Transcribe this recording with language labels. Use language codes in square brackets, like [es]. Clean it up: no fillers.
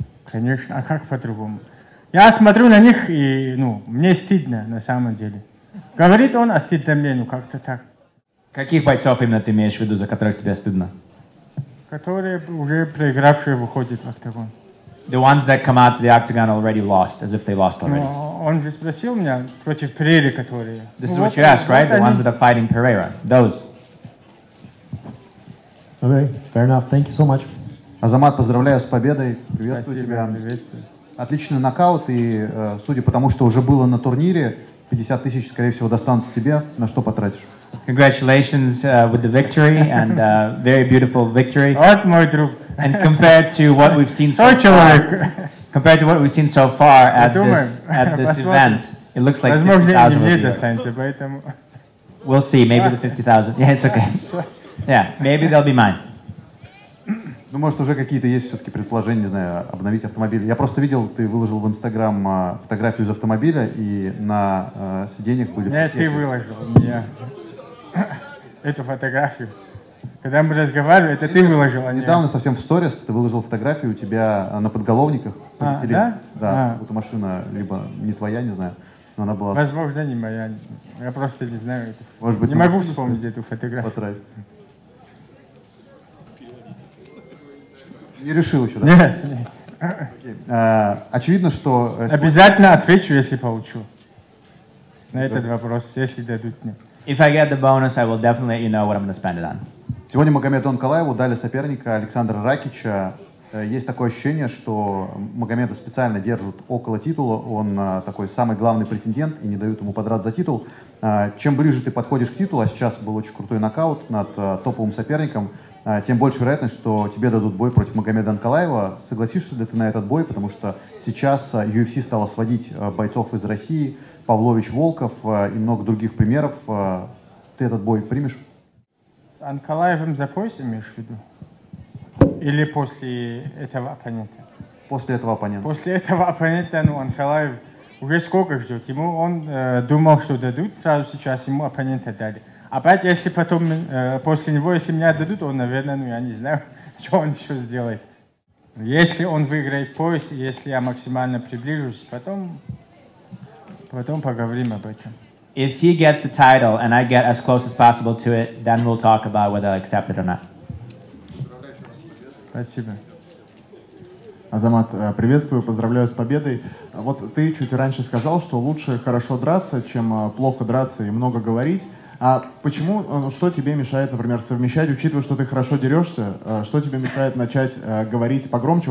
[ru] Конечно, а как по-другому? Я смотрю на них и мне стыдно на самом деле. Говорит он, а стыдно мне, как-то так. Каких бойцов именно ты имеешь в виду, за которых тебе стыдно? Которые уже проигравшие выходят в октагон. [en] The ones that come out to the octagon already lost, as if they lost already. [ru] Он же спросил меня против Перейры, которые... [en] This is what you asked, right? The ones that are fighting Pereira. Those. Okay, fair enough. Thank you so much. [ru] Азамат, поздравляю с победой, приветствую. Спасибо, тебя. Приветствую. Отличный нокаут, и судя по тому, что уже было на турнире, 50 тысяч, скорее всего, достанутся тебе. На что потратишь? [en] Congratulations with the victory, and very beautiful victory. [ru] Вот мой друг. [en] And compared to what we've seen so far, at this event, it looks like 50,000 will be [ru] достанется, поэтому... [en] We'll see, maybe the 50,000. Yeah, it's okay. Yeah, maybe they'll be mine. [ru] Может, уже какие-то есть все-таки предположения, не знаю, обновить автомобиль. Я просто видел, ты выложил в Инстаграм фотографию из автомобиля, и на сиденьях были... Нет, ты выложил мне эту фотографию. Когда мы разговаривали, это ты выложил, а не... Недавно совсем в сторис ты выложил фотографию, у тебя на подголовниках полетели. Да? Вот машина либо не твоя, не знаю, но она была... Возможно, не моя. Я просто не знаю. Может быть, не могу вспомнить эту фотографию. Не решил еще, да? Нет. Очевидно, что... Обязательно отвечу, если получу. На этот вопрос, если дадут мне. [en] If I get the bonus, I will definitely know what I'm going to spend it on. [ru] Сегодня Магомеду Анкалаеву дали соперника Александра Ракича. Есть такое ощущение, что Магомеда специально держат около титула. Он такой самый главный претендент и не дают ему подраться за титул. Чем ближе ты подходишь к титулу, а сейчас был очень крутой нокаут над топовым соперником, тем больше вероятность, что тебе дадут бой против Магомеда Анкалаева. Согласишься ли ты на этот бой? Потому что сейчас UFC стала сводить бойцов из России, Павлович Волков и много других примеров. Ты этот бой примешь? С Анкалаевым за пояс имеешь в виду? Или после этого оппонента? После этого оппонента. После этого оппонента, Анкалаев уже сколько ждет. Ему он думал, что дадут, сразу сейчас ему оппонента дали. Опять, если потом после него, если меня дадут, он, наверное, я не знаю, что он еще сделает. Если он выиграет пояс, если я максимально приближусь, потом поговорим об этом. [en] If he gets the title and I get as close as possible to it, then we'll talk about whether I accept it or not. [ru] Спасибо. Азамат, приветствую, поздравляю с победой. Вот ты чуть раньше сказал, что лучше хорошо драться, чем плохо драться и много говорить. А почему, что тебе мешает, например, совмещать, учитывая, что ты хорошо дерешься, что тебе мешает начать говорить погромче?